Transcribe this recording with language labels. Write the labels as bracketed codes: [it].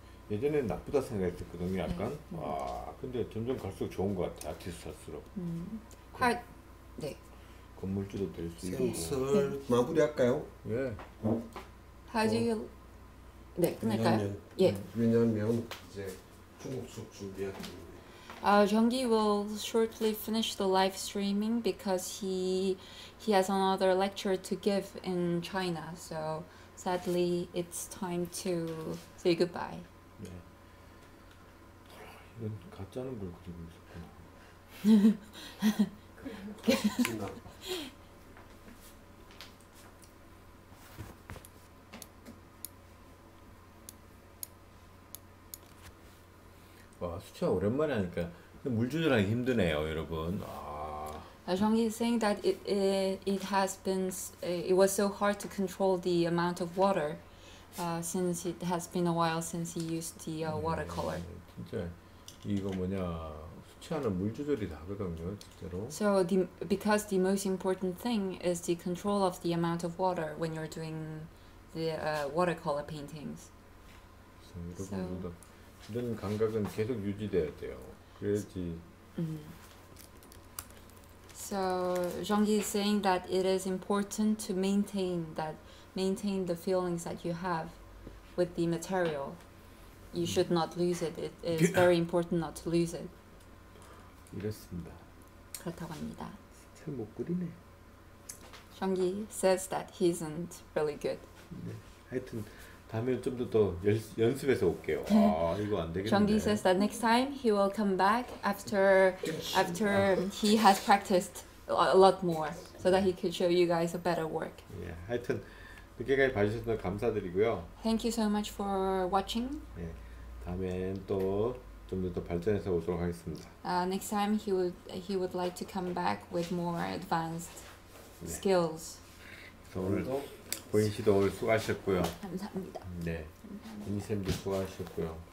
[ko] 예전에 나쁘다 생각했거든요 약간. 네. 와 근데 점점 갈수록 좋은 것 같아 아티스트일수록. 네 건물주도 될 수 있고. 슬슬 마무리할까요? 예. 하지요. 네 끝낼까요? 예. 왜냐하면 이제 중국 수업 준비해야 되는데. [en] Zhongyi will shortly finish the live streaming because he has another lecture to give in China so. Sadly, it's time to say goodbye. [ko] 네. 이건 가짜는 걸 그리고 있었구나. 와, 수채화 오랜만에 하니까 물 조절하기 힘드네요, 여러분. 아. [en] Zhongyi is saying that it was so hard to control the amount of water since it has been a while since he used the watercolor. [ko] 진짜 이거 뭐냐 수채화는 물 조절이 다거든요 진짜로. [en] So the because the most important thing is the control of the amount of water when you're doing the watercolor paintings. [ko] 여러분들도 이런 감각은 계속 유지돼야 돼요. 그래야지. [en] So Zhongyi is saying that it is important to maintain the feelings that you have with the material. You should not lose it. It is very important not to lose it. [ko] 이랬습니다. 그렇다고 합니다. 잘 못 그리네. [en] Zhongyi says that he isn't really good. [ko] 네. 하여튼 다음에 좀 더 연습해서 올게요. 아 이거 안 되겠네. [en] Zhongyi says that next time he will come back after he has practiced a lot more so that he could show you guys a better work. [ko] 예, 하여튼 늦게까지 봐주셔서 감사드리고요. [en] Thank you so much for watching. [ko] 예, 다음에 또 좀 더 발전해서 오도록 하겠습니다. [en] Next time he would like to come back with more advanced skills. [ko] 네. 오늘도 보인 씨도 오늘 수고하셨고요. 감사합니다. 네. 이미 쌤도 수고하셨고요.